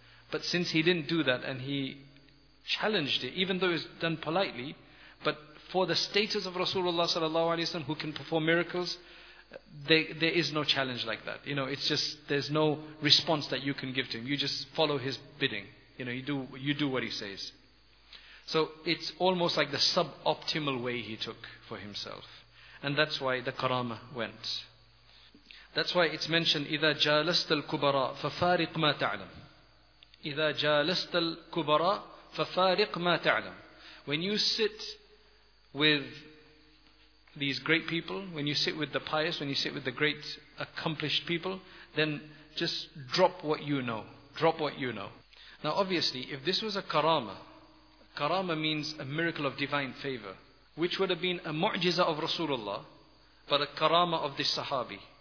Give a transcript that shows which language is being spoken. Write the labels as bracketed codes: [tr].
[en] But since he didn't do that and he challenged it, even though it was done politely, but for the status of Rasulullah sallallahu alaihi wasallam, who can perform miracles, there is no challenge like that. You know, it's just, there's no response that you can give to him. You just follow his bidding. You know, you do what he says. So it's almost like the suboptimal way he took for himself. And that's why the karama went. That's why it's mentioned, [ar] إِذَا جَالَسْتَ الْكُبَرَاءَ فَفَارِقْ مَا تَعْلَمْ. إِذَا جَالَسْتَ الْكُبَرَاءَ فَفَارِقْ مَا تَعْلَمْ. [en] When you sit with these great people, when you sit with the pious, when you sit with the great accomplished people, then just drop what you know. Drop what you know. Now obviously, if this was a karama means a miracle of divine favor, which would have been a mu'jiza of Rasulullah, but a karama of this sahabi.